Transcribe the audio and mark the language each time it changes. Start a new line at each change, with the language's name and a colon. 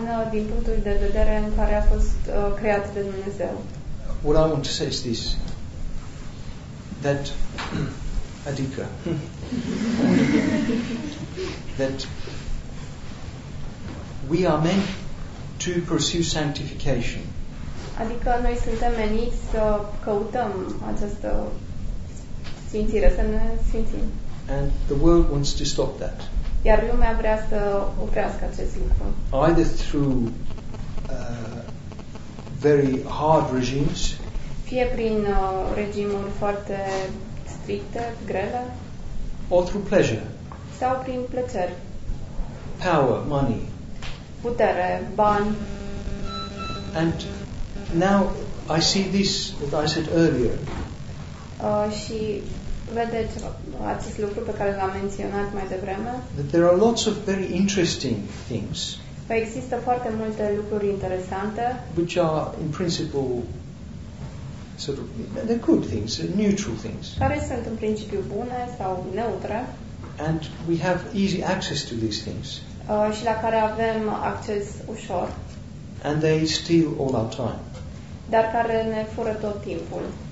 Romanian: din punctul de vedere în care a fost creat de Dumnezeu.
English: What I want to say is this, that
Romanian: Adika,
English: that we are meant to pursue sanctification.
Romanian: Adică noi suntem meniți să căutăm această sfințire, să ne sfințim.
English: And the world wants to stop that.
Romanian: Iar lumea vrea să oprească acest lucru.
English: Either through very hard regimes,
Romanian: fie prin regimuri foarte stricte, grele,
English: or through pleasure,
Romanian: sau prin plăceri,
English: power, money,
Romanian: putere, bani.
English: And now I see this, what I said earlier.
Romanian: Și vedeți acest lucru pe care l-am menționat mai devreme?
English: That there are lots of very interesting things.
Romanian: Că există foarte multe lucruri interesante.
English: Which are in principle sort of they're good things, they're neutral things.
Romanian: Care sunt în principiu bune sau neutre?
English: And we have easy access to these things.
Romanian: Și la care avem acces ușor.
English: And they steal all our time.
Romanian: Dar care ne fură tot timpul.